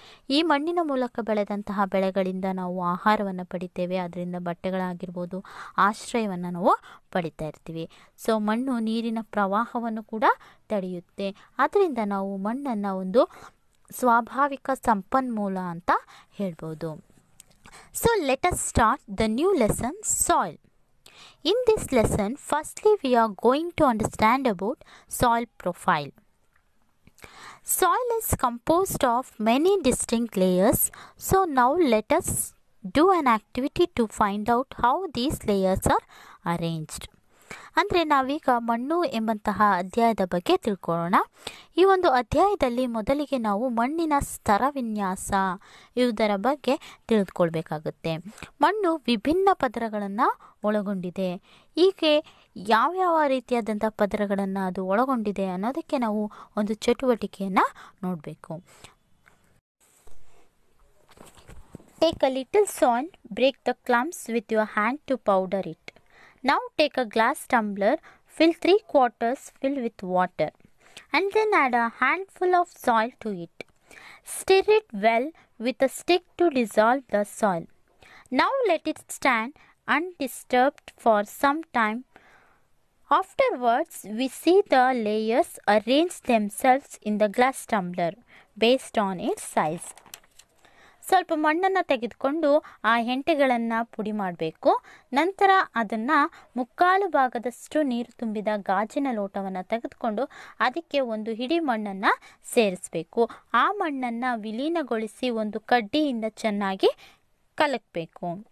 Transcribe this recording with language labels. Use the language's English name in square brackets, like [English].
[Kannada] ಈ ಮಣ್ಣಿನ ಮೂಲಕ ಬೆಳೆದಂತಹ ಬೆಳೆಗಳಿಂದ ನಾವು ಆಹಾರವನ್ನು ಪಡಿತೇವೆ, ಅದರಿಂದ ಬಟ್ಟೆಗಳಾಗಿರ್ಬೋದು, ಆಶ್ರಯವನ್ನು ನಾವು ಪಡಿತಾ ಇರ್ತೀವಿ. ಸೊ ಮಣ್ಣು ನೀರಿನ ಪ್ರವಾಹವನ್ನು ಕೂಡ ತಡೆಯುತ್ತೆ. ಅದರಿಂದ ನಾವು ಮಣ್ಣನ್ನು ಒಂದು ಸ್ವಾಭಾವಿಕ ಸಂಪನ್ಮೂಲ ಅಂತ ಹೇಳ್ಬೋದು. [English] So let us start the new lesson soil. In this lesson, firstly we are going to understand about soil profile. Soil is composed of many distinct layers. So now let us do an activity to find out how these layers are arranged. [Kannada] ಅಂದರೆ ನಾವೀಗ ಮಣ್ಣು ಎಂಬಂತಹ ಅಧ್ಯಾಯದ ಬಗ್ಗೆ ತಿಳ್ಕೊಳ್ಳೋಣ. ಈ ಒಂದು ಅಧ್ಯಾಯದಲ್ಲಿ ಮೊದಲಿಗೆ ನಾವು ಮಣ್ಣಿನ ಸ್ತರ ವಿನ್ಯಾಸ ಇದರ ಬಗ್ಗೆ ತಿಳಿದುಕೊಳ್ಬೇಕಾಗುತ್ತೆ. ಮಣ್ಣು ವಿಭಿನ್ನ ಪದರಗಳನ್ನು ಒಳಗೊಂಡಿದೆ. ಹೀಗೆ ಯಾವ್ಯಾವ ರೀತಿಯಾದಂಥ ಪದರಗಳನ್ನು ಅದು ಒಳಗೊಂಡಿದೆ ಅನ್ನೋದಕ್ಕೆ ನಾವು ಒಂದು ಚಟುವಟಿಕೆಯನ್ನು ನೋಡಬೇಕು. [English] Take a little soil, break the clumps with your hand to powder it. Now take a glass tumbler, fill 3/4 filled with water and then add a handful of soil to it. Stir it well with a stick to dissolve the soil. Now let it stand undisturbed for some time. Afterwards, we see the layers arrange themselves in the glass tumbler based on its size. [Kannada] ಸ್ವಲ್ಪ ಮಣ್ಣನ್ನು ತೆಗೆದುಕೊಂಡು ಆ ಹೆಂಟೆಗಳನ್ನು ಪುಡಿ ಮಾಡಬೇಕು. ನಂತರ ಅದನ್ನು 1/4 ಭಾಗದಷ್ಟು ನೀರು ತುಂಬಿದ ಗಾಜಿನ ಲೋಟವನ್ನು ತೆಗೆದುಕೊಂಡು ಅದಕ್ಕೆ ಒಂದು ಹಿಡಿ ಮಣ್ಣನ್ನು ಸೇರಿಸಬೇಕು. ಆ ಮಣ್ಣನ್ನು ವಿಲೀನಗೊಳಿಸಿ ಒಂದು ಕಡ್ಡಿಯಿಂದ ಚೆನ್ನಾಗಿ ಕಲಕಬೇಕು.